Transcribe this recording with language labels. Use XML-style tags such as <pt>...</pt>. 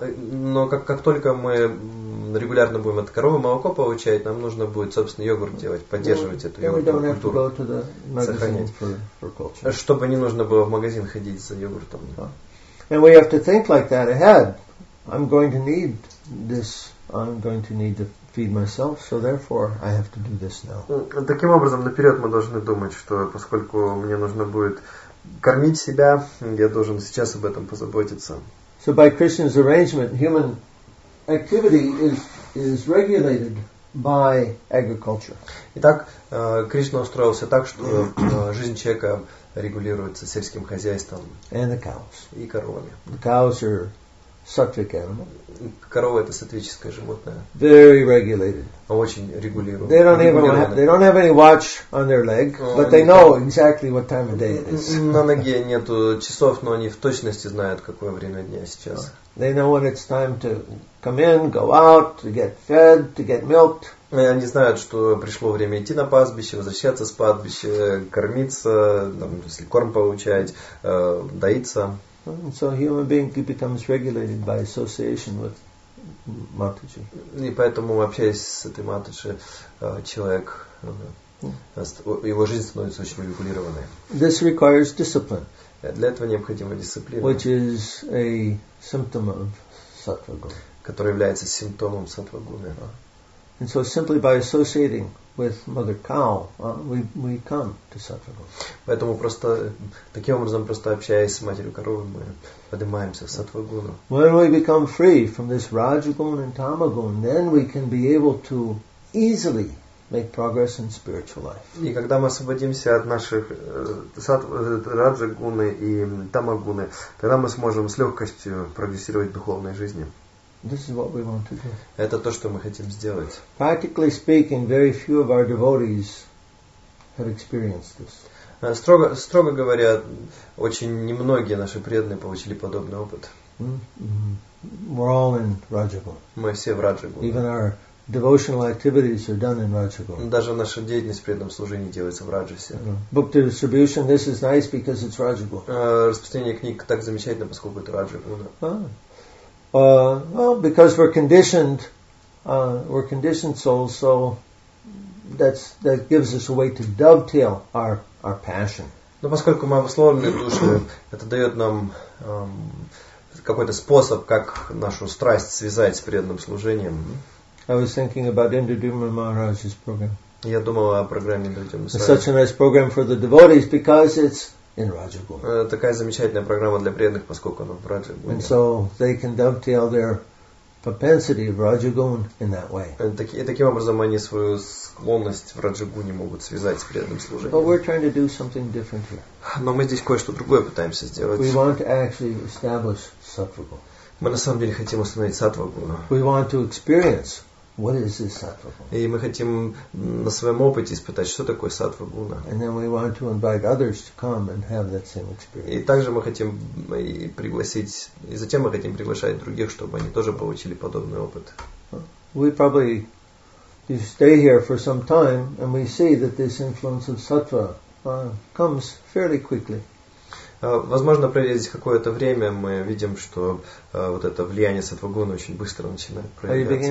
<ru>Но как только мы регулярно будем от коровы молоко получать, нам нужно будет, собственно, йогурт делать, поддерживать эту йогуртовую культуру, сохранять.</ru> <en>For</en> <ru>чтобы не нужно было в магазин ходить за йогуртом.</ru> <en>And we have to think like that ahead. I'm going to need this. I'm going to need the feed myself, so therefore I have to do this now.</en> <ru>Таким образом, наперед мы должны думать, что поскольку мне нужно будет кормить себя, я должен сейчас об этом позаботиться.</ru> <en>So by Krishna's arrangement, human activity is regulated by agriculture.</en> <ru>Итак, Кришна устроился так, что жизнь человека регулируется сельским хозяйством.</ru> <en>And the cows.</en> <ru>И коровами.</ru> <en>The cows are sattvic animal.</en> <ru>Корова это сатвическое животное.</ru> <en>Very regulated.</en> <ru>Очень регулируемое.</ru> <en>They don't have any watch on their leg, but they know exactly what time of day it is.</en> <ru>На ноге нету часов, но они в точности знают, какое время дня сейчас.</ru> <en>They know when it's time to come in, go out, to get fed, to get milked.</en> <ru>Они знают, что пришло время идти на пастбище, возвращаться с пастбища, кормиться, там, если корм получать, доиться.</ru> <en>And so human being becomes regulated by association with Матаджи.</en> <ru>И поэтому, общаясь с этой Матаджи, человек, его жизнь становится очень регулированной.</ru> <en>This requires discipline.</en> <ru>Для этого необходима дисциплина.</ru> <en>Which is a symptom of сатвагуна.</en> <ru>Который является симптомом сатвагуны.</ru> <en>And so simply by associating with mother cow, we come to сатвагуна.</en> <ru>Поэтому просто таким образом просто общаясь с матерью коровы мы поднимаемся в сатвагуну.</ru> <en>When we become free from this rajagun and tamagun, then we can be able to easily make progress in spiritual life.</en> <ru>И когда мы освободимся от наших раджагуны и тамагуны, тогда мы сможем с легкостью прогрессировать в духовной жизни.</ru> <en>This is what we want to do.</en> <ru>Это то, что мы хотим сделать.</ru> <en>Practically speaking, very few of our devotees have experienced this.</en> <ru>Строго говоря, очень немногие наши преданные получили подобный опыт.</ru> <en>Mm-hmm. We're all in Rajagun.</en> <ru>Мы все в Раджагуне.</ru> <en>Even our devotional activities are done in Rajagopa.</en> <ru>Даже наша деятельность в преданном служении делается в Раджасе.</ru> <en>Book distribution, this is nice because it's Rajagopa.</en> <ru>Распространение книг так замечательно, поскольку это Раджагопа.</ru> <en>Well, because we're conditioned souls, so that gives us a way to dovetail our passion.</en> <ru>Но поскольку мы обусловленные души, это дает нам какой-то способ, как нашу страсть связать с преданным служением.</ru> <en>I was thinking about Indradyumna Maharaj's program.</en> <ru>Я думал о программе Индрадюмны Махараджи.</ru> <en>Such a nice program for the devotees because it's in Rajagopa.</en> <ru>Такая замечательная программа для преданных, поскольку она в Раджагопе.</ru> <en>And so they can dovetail their propensity of Rajagun in that way.</en> <ru>И таким образом они свою склонность в Раджагуне могут связать с преданным служением.</ru> <en>But we're trying to do something different here.</en> <ru>Но мы здесь кое-что другое пытаемся сделать.</ru> <en>We want to actually establish Sattvagun.</en> <ru>Мы на самом деле хотим установить Сатвагуну.</ru> <en>We want to experience what is this Сатвагуна.</en> <ru>И мы хотим на своем опыте испытать, что такое Сатвагуна.</ru> <en>And then we want to invite others to come and have that same experience.</en> <ru>И также мы хотим пригласить, и затем мы хотим приглашать других, чтобы они тоже получили подобный опыт.</ru> <en>We probably you stay here for some time, and we see that this influence of Сатва comes fairly quickly.</en> <ru>Возможно, пройдя здесь какое-то время, мы видим, что вот это влияние сатвагуны очень быстро начинает проявляться.</ru>